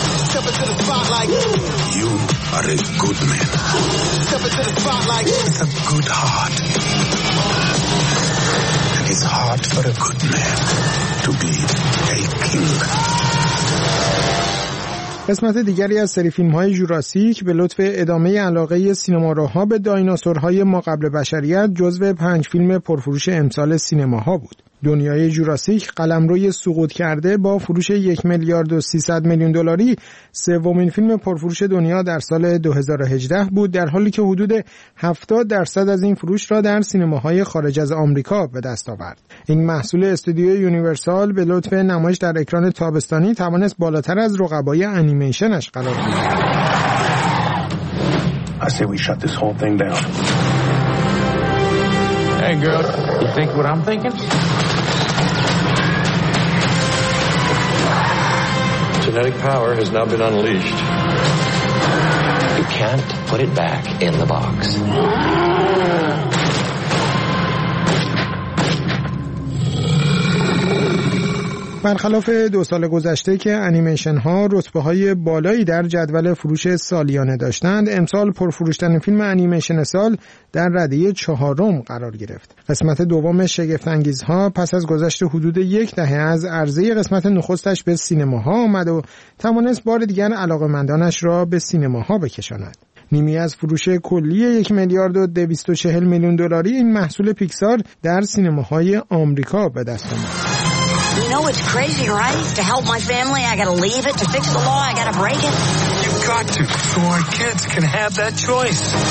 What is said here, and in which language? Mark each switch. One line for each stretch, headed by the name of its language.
English: Step into the spotlight. You are a good man. Step into the spotlight. With a good heart. And it's hard for a good man to be a king.
Persian: قسمت دیگری از سری فیلم‌های جوراسیک به لطف ادامه علاقه سینماروها به دایناسورهای ماقبل بشریت جزو 5 فیلم پرفروش امسال سینماها بود. دنیای جوراسیک قلمروی سقوط کرده با فروش 1.3 میلیارد دلاری سومین فیلم پرفروش دنیا در سال 2018 بود، در حالی که حدود 70% از این فروش را در سینماهای خارج از آمریکا به دست آورد. این محصول استودیوی یونیورسال به لطف نمایش در اکران تابستانی توانست بالاتر از رقبای انیمیشنش قرار بگیرد.
English: I say we shut this whole thing down. Hey girl, you think what I'm thinking? Genetic power has now been unleashed. You can't put it back in the box.
Persian: و برخلاف دو سال گذشته که انیمیشن ها رتبه های بالایی در جدول فروش سالیانه داشتند، امسال پرفروشترین فیلم انیمیشن سال در رده چهارم قرار گرفت. قسمت دوم شگفت انگیز ها پس از گذشت حدود یک دهه از عرضه قسمت نخستش به سینماها آمد و توانست بار دیگر علاقه‌مندانش را به سینماها بکشاند. نیمی از فروش کلی 1,240,000,000 دلاری این محصول پیکسار در سینماهای آمریکا به دست آمد.
English: You know it's crazy, right? To help my family, I gotta leave it. To fix the law, I gotta break it. You've got to, so our kids can have that choice.